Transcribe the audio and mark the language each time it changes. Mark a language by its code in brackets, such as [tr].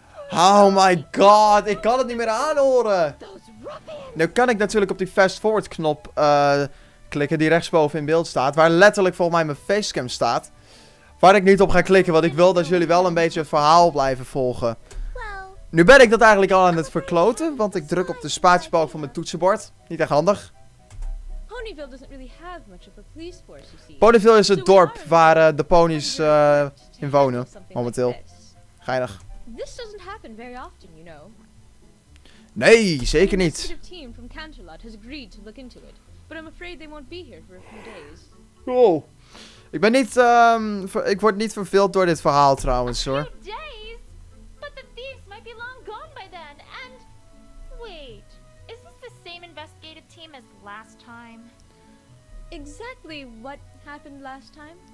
[nl] Oh my god, ik kan het niet meer aanhoren. Nu kan ik natuurlijk op die fast forward knop klikken die rechtsboven in beeld staat. Waar letterlijk volgens mij mijn facecam staat. Waar ik niet op ga klikken, want ik wil dat jullie wel een beetje het verhaal blijven volgen. Nu ben ik dat eigenlijk al aan het verkloten, want ik druk op de spatiebalk van mijn toetsenbord. Niet echt handig. [en] Ponyville doesn't really have much of a police force, you see. [nl] Ponyville is het dorp waar de ponies in wonen, momenteel. Geinig. [en] This doesn't happen very often, you know. [nl] Nee, zeker niet. [en] The team from Canterlot has agreed to look into it, but I'm afraid they won't be here for a few days. Oh. [nl] Ik ben niet ik word niet verveeld door dit verhaal trouwens, hoor. [en] But the thieves might be long gone by then. And wait, is this the same investigative team as last time? Exactly what happened last time?